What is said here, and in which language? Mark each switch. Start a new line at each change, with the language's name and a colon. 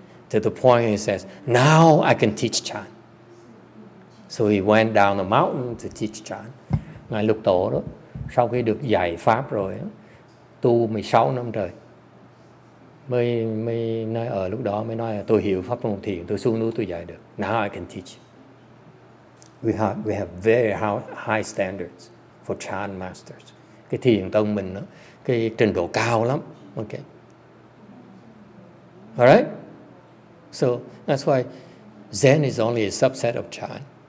English: To the point he says, now I can teach chan. So he went down the mountain to teach chan.
Vietnamese: Ngài Lục Tổ đó, sau khi được dạy pháp rồi, tu 16 năm trời. Mới nói ở lúc đó mới nói là tôi hiểu pháp môn thiền, tôi xuống núi tôi dạy được.
English: Now I can teach. We have very high standards for chan masters.
Vietnamese: Cái thiền tông mình đó, cái trình độ cao lắm. Okay.
English: All right? So that's why Zen is only a subset of Chan.